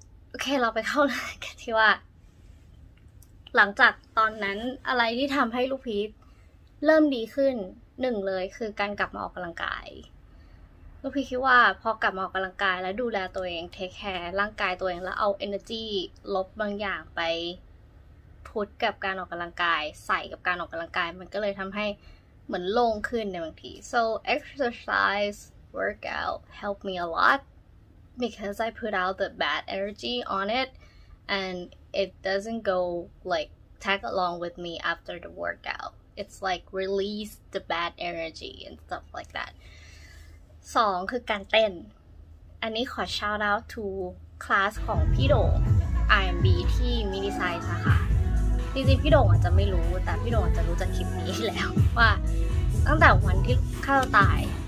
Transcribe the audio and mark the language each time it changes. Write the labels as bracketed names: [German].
[Thai] โอเคเราไปเข้ากันที่ว่าหลังจากตอนนั้นอะไรที่ทำให้ลูกพีทเริ่มดีขึ้นหนึ่งเลยคือการกลับมาออกกำลังกายก็พี่คิดว่าพอกลับมาออกกำลังกายและดูแลตัวเองเทคแคร์ร่างกายตัวเองแล้วเอา energy ลบบางอย่างไป พุทกับการออกกำลังกายใส่กับการออกกำลังกายมันก็เลยทำให้เหมือนโล่งขึ้นในบางที [English] so exercise workout helped me a lot because I put out the bad energy on it and it doesn't go like tag along with me after the workout. It's like release the bad energy and stuff like that. [Thai] สองคือการเต้นอันนี้ขอ shout out to คลาสของพี่โด่ง IMB ที่มินิไซส์นะคะจริงๆพี่โด่งอาจจะไม่รู้แต่พี่โด่งจะรู้จากคลิปนี้แล้วว่าตั้งแต่วันที่ข้าตาย